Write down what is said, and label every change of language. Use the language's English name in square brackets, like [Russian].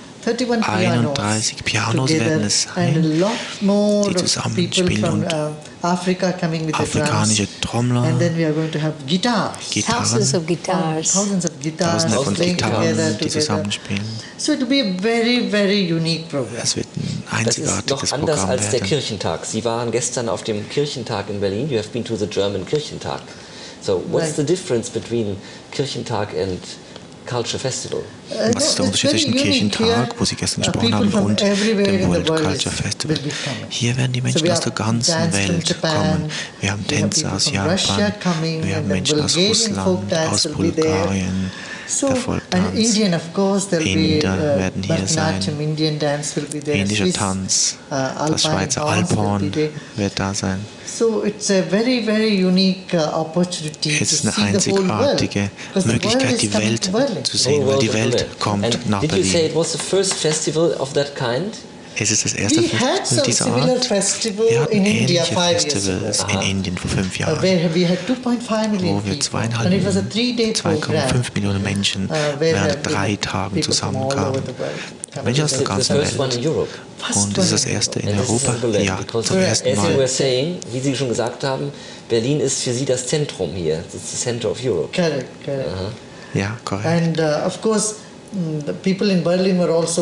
[German] 31 Pianos werden es sein, die zusammenspielen und afrikanische Trommler, Tausende von Gitarren, die zusammenspielen. [English] So it'll be a very, very unique program. [German] Es wird ein einzigartiges Programm werden. Das ist noch anders als der Kirchentag. Sie waren gestern auf dem Kirchentag in Berlin. [English] You have been to the German Kirchentag. So what's the difference between Kirchentag and Culture Festival? [German] Was ist der Unterschied zwischen Kirchentag, wo Sie gestern gesprochen haben, und dem World Culture Festival? Hier werden die Menschen aus der ganzen Welt kommen. Wir haben Tänzer aus Japan, wir haben Menschen aus Russland, aus Bulgarien. so, der Volktanz. [English] And Indian, of course, [German] Inder werden hier sein. Indischer Tanz, das Schweizer Alphorn wird da sein. [English] So it's a very, very unique opportunity. [German] Es ist eine einzigartige Möglichkeit, die Welt zu sehen, weil die Welt kommt nach Berlin. [English] Did you say it was the first festival of that kind? [German] Es ist das erste Festival dieser Art. Wir hatten ähnliche Festivals in Indien vor 5 Jahren, wo wir 2,5 Millionen Menschen während 3 Tagen zusammenkamen. Menschen aus der ganzen Welt. Und es ist das erste in Europa, ja, zum ersten Mal. Wie Sie schon gesagt haben, Berlin ist für Sie das Zentrum hier. [English] It's the center of Europe. [German] Ja, korrekt. [English] And of course, the people in Berlin were also